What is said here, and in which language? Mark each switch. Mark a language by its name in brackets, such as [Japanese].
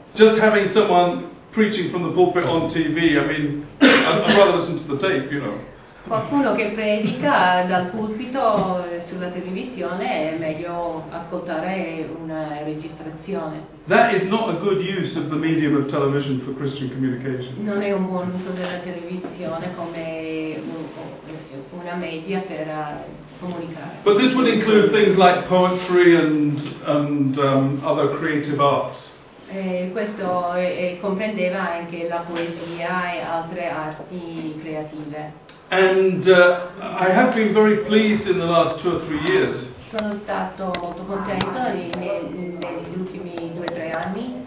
[English] Just having someone preaching from the pulpit on TV, I mean, I'd rather listen to the tape, you know. [Italian] Qualcuno che predica dal pulpito sulla televisione è meglio ascoltare una registrazione. [English] That is not a good use of the medium of television for Christian communication. [Italian] Non è un buon uso della televisione come una media per comunicare. [English] But this would include things like poetry and other creative arts. [Italian] Questo comprendeva anche la poesia e altre arti creative. [English] And I have been very pleased in the last 2 or 3 years. [Italian] Sono stato molto contento negli ultimi 2 o 3 anni.